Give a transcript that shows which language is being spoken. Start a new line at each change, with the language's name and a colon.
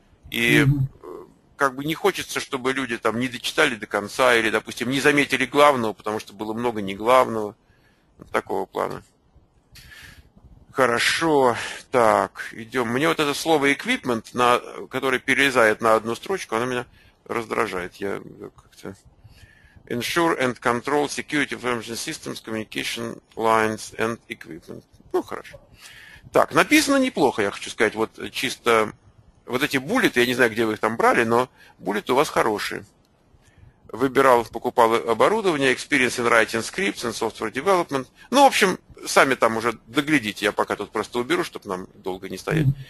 Russian: И как бы не хочется, чтобы люди там не дочитали до конца или, допустим, не заметили главного, потому что было много неглавного. Вот такого плана. Хорошо, так, идем. Мне вот это слово equipment, которое перелезает на одну строчку, оно меня раздражает. Я как-то...
English: Ensure and control security information systems, communication lines and equipment.
Russian: Ну, хорошо. Так, написано неплохо, я хочу сказать. Вот чисто вот эти буллеты, я не знаю, где вы их там брали, но буллеты у вас хорошие. Выбирал, покупал оборудование,
English: experience in writing scripts and software development.
Russian: Ну, в общем, сами там уже доглядите, я пока тут просто уберу, чтобы нам долго не стоять.